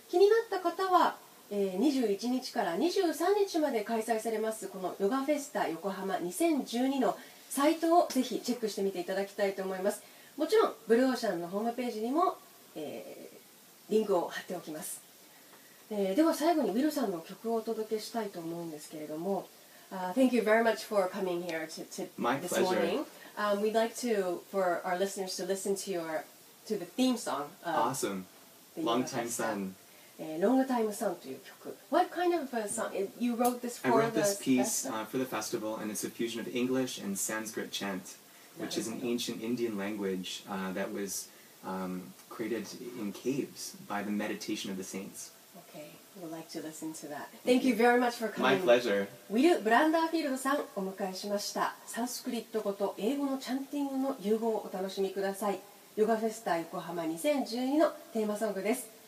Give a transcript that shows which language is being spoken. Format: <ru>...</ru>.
<ja>気になった方は、21日から23日まで開催されますこのヨガフェスタ横浜2012のサイトをぜひチェックしてみていただきたいと思います。もちろんブルーオーシャンのホームページにも、リンクを貼っておきます。では最後にウィルさんの曲をお届けしたいと思うんですけれども、</ja> <en>Thank you very much for coming here this morning. We'd like to for our listeners to listen to your to the theme song. Awesome. Long time sun. Long Time Sun</en> <ja>という曲。</ja> <en>What kind of a song? You wrote this for the festival? I wrote this piece for the festival, and it's a fusion of English and Sanskrit chant, which is an ancient Indian language that was created in caves by the meditation of the saints. Okay, we'd like to listen to that. Thank you very much for coming. My pleasure.</en> <ja>ウィル・ブランダーフィールドさん、お迎えしました。サンスクリット語と英語のチャンティングの融合をお楽しみください。ヨガフェスタ横浜2012のテーマソングです。</ja>